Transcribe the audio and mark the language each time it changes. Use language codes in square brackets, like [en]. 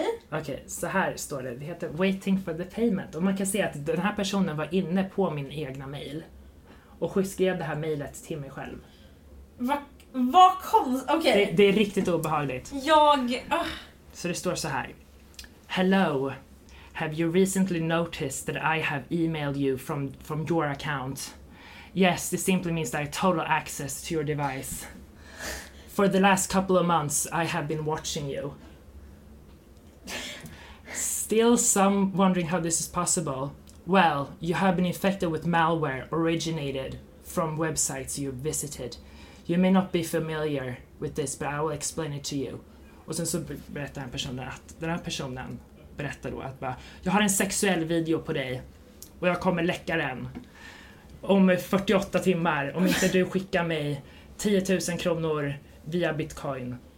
[sv] Okej, så här står det. Det heter [en] Waiting for the payment. [sv] Och man kan se att den här personen var inne på min egna mail och skrev det här mejlet till mig själv. Vad konstigt. Okay. Det är riktigt obehagligt. Så det står så här. [en] Hello, have you recently noticed that I have emailed you from your account? Yes, this simply means that I have total access to your device. For the last couple of months, I have been watching you. Still some wondering how this is possible. Well, you have been infected with malware originated from websites you visited. You may not be familiar with this, but I will explain it to you. [sv] Och sen så berättar den här personen berättar då att bara, jag har en sexuell video på dig och jag kommer läcka den om 48 timmar om inte du skickar mig 10 000 kronor via bitcoin.